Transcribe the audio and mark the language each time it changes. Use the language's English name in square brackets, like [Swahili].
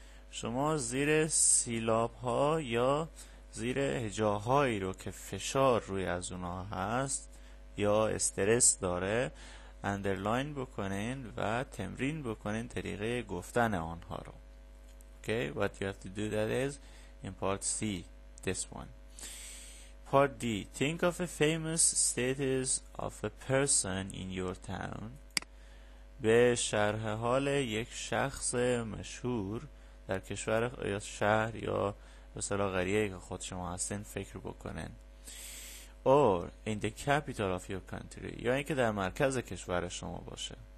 [Persian] شما زیر سیلاب ها یا زیر هجاهایی رو که فشار روی از اونا هست یا استرس داره اندرلاین بکنین و تمرین بکنین طریقه گفتن آنها رو. [English] Okay, what you have to do that is in part C, this one. Part D, think of a famous status of a person in your town. [Persian] به شرح حال یک شخص مشهور در کشور یا شهر یا مثلا قریه که خود شما هستین فکر بکنین. [English] Or in the capital of your country. [Persian] یا اینکه در مرکز کشور شما باشه.